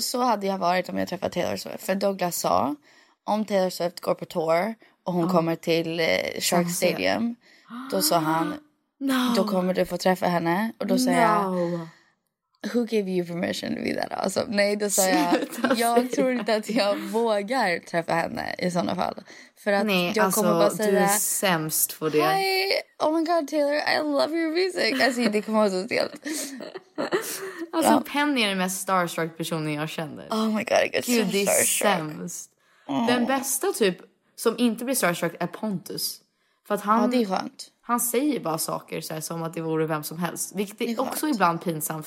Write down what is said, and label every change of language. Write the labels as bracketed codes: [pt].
[sv] Så hade jag varit om jag träffade Taylor Swift. För Douglas sa, om Taylor Swift går på tour och hon kommer till Shark Stadium, då sa han, då kommer du få träffa henne. Och då sa jag, [en] who gave you permission to be that awesome? [sv] Nej, då sa jag, jag tror inte att jag vågar träffa henne i sådana fall. För att nej, jag kommer bara säga, du är sämst för det. [en] Hi, oh my god Taylor, I love your music. [sv] Alltså det kommer vara så stelt. Alltså Penny är den mest starstruck personen jag kände. [en] Oh my god, [sv] jag är gud, så starstruck. Gud, det är sämst. Den bästa typ som inte blir starstruck är Pontus. För att han, ja, det är skönt. Han säger bara saker så här, som att det vore vem som helst. Vilket är också skönt. Ibland pinsamt.